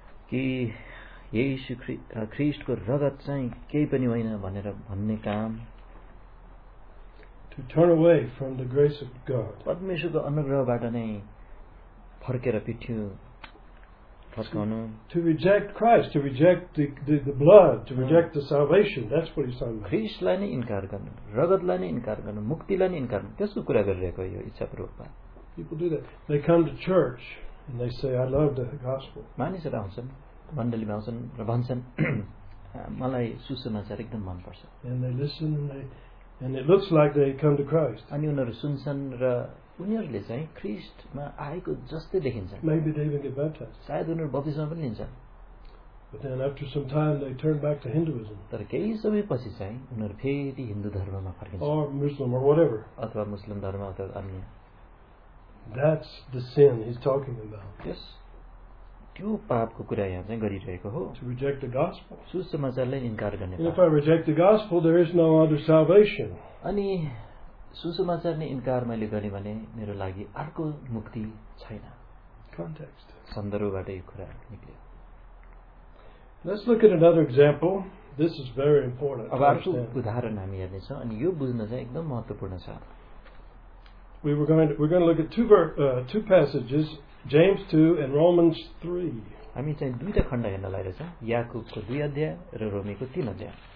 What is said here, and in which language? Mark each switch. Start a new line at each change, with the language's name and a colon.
Nepali: कि यीशु ख्रीष्टको रगत चाहिँ केही पनि होइन भनेर भन्ने काम
English: to turn away from the grace of God.
Nepali: परमेश्वरको अनुग्रहबाट नै फर्केर पिठ्यु फर्काउनु.
English: To reject Christ, to reject the blood, to reject the salvation, that's what he's talking about.
Nepali: ख्रीष्टलाई नै इन्कार गर्नु, रगतलाई नै इन्कार गर्नु, मुक्तिलाई नै इन्कार गर्नु, त्यसको कुरा गरिरहेको यो इच्छापूर्वकमा.
English: People do that. They come to church and they say, I love the gospel.
Nepali: मानिसहरू आउँछन् मण्डलीमा आउँछन् र भन्छन् मलाई सुसमाचार एकदम मनपर्छ.
English: And they listen and they And it looks like they come to Christ.
Nepali: अनि उनीहरू सुन्छन् र उनीहरूले चाहिँ ख्रीष्टमा आएको जस्तै देखिन्छ.
English: Maybe they even get baptized.
Nepali: सायद उनीहरू बप्तिस्मा पनि लिन्छन्.
English: But then after some time they turn back to Hinduism.
Nepali: तर केही समयपछि चाहिँ उनीहरू फेरि हिन्दू धर्ममा फर्किन्छन्.
English: Or Muslim or whatever.
Nepali: अथवा मुस्लिम धर्म अथवा अन्य.
English: That's the sin he's talking about. Yes.
Nepali: त्यो पापको कुरा यहाँ चाहिँ गरिरहेको हो.
English: To reject the gospel.
Nepali: सुसमाचारलाई इन्कार गर्ने.
English: If I reject the gospel, there is no other salvation.
Nepali: अनि सुसमाचार नै इन्कार मैले गरेँ भने मेरो लागि अर्को मुक्ति छैन.
English: Context.
Nepali: सन्दर्भबाट यो कुरा निक्ल्यो.
English: Let's look at another example. This is very important.
Nepali: अब अर्को उदाहरण हामी हेर्नेछौँ अनि यो बुझ्न चाहिँ एकदम महत्वपूर्ण छ.
English: We're going to look at two passages. James 2 and Romans 3.
Nepali: हामी चाहिँ दुईटा खण्ड हेर्न लागिरहेछ याकूबको दुई अध्याय र रोमीको तीन अध्याय.